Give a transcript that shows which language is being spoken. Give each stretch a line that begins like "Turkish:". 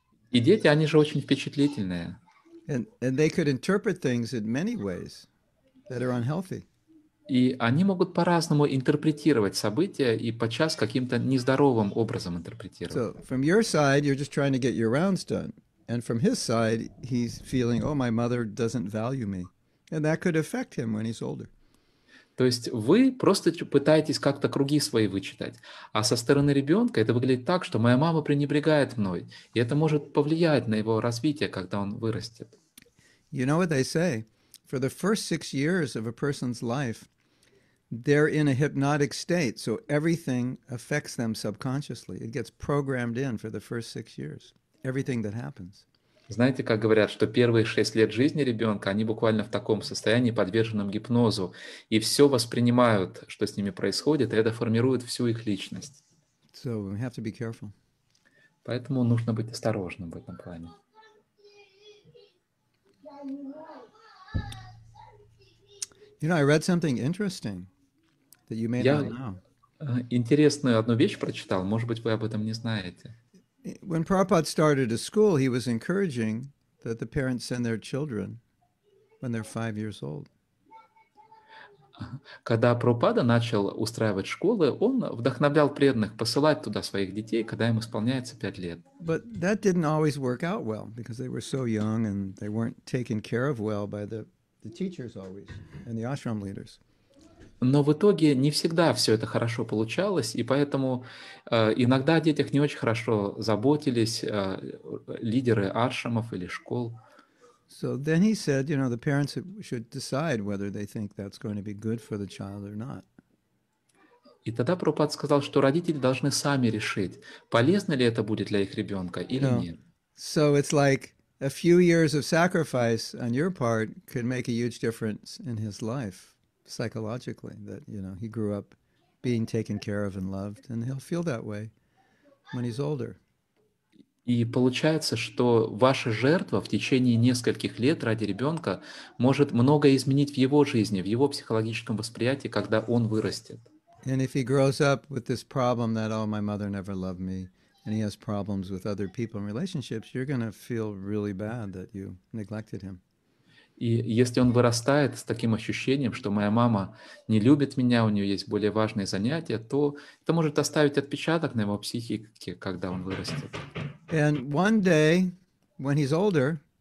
Russian: И дети, они же очень впечатлительные.
English: And they could interpret things in many ways that are unhealthy.
Russian: И они могут по-разному интерпретировать события и подчас каким-то нездоровым образом интерпретировать.
English: So from your side, you're just trying to get your rounds done, and from his side, he's feeling, oh, my mother doesn't value me, and that could affect him when he's older.
Russian: То есть вы просто пытаетесь как-то круги свои вычитать, а со стороны ребенка это выглядит так, что моя мама пренебрегает мной, и это может повлиять на его развитие, когда он вырастет.
English: You know what they say? For the first 6 years of a person's life, they're in a hypnotic state, so everything affects them subconsciously. It gets programmed in for the first 6 years, everything that happens.
Russian: Знаете, как говорят, что первые 6 лет жизни ребенка, они буквально в таком состоянии, подверженном гипнозу, и все воспринимают, что с ними происходит, и это формирует всю их личность.
English: So we have to be careful.
Russian: Поэтому нужно быть осторожным в этом плане.
English: You know, I read something interesting that you may not know.
Russian: Я интересную одну вещь прочитал, может быть, вы об этом не знаете.
English: When Prabhupada started a school, he was encouraging that the parents send their children when they're 5 years old.
Russian: Когда Прабхупада начал устраивать школы, он вдохновлял преданных посылать туда своих детей, когда им исполняется 5 лет.
English: But that didn't always work out well because they were so young and they weren't taken care of well by the teachers always and the ashram leaders.
Russian: Но в итоге не всегда все это хорошо получалось, и поэтому иногда о детях не очень хорошо заботились лидеры ашрамов или школ.
English: So then he said, you know, the parents should decide whether they think that's going to be good for the child or not.
Russian: И тогда Прабхупада сказал, что родители должны сами решить, полезно ли это будет для их ребенка или нет.
English: So it's like a few years of sacrifice on your part could make a huge difference in his life. Psychologically, that, you know, he grew up being taken care of and loved, and he'll feel that way when he's older.
Russian: И получается, что ваша жертва в течение нескольких лет ради ребенка может многое изменить в его жизни, в его психологическом восприятии, когда он вырастет.
English: And if he grows up with this problem that, oh, my mother never loved me, and he has problems with other people and relationships, you're going to feel really bad that you neglected him.
Russian: И если он вырастает с таким ощущением, что моя мама не любит меня, у нее есть более важные занятия, то это может оставить отпечаток на его психике, когда он вырастет.
English: And one day, when he's older,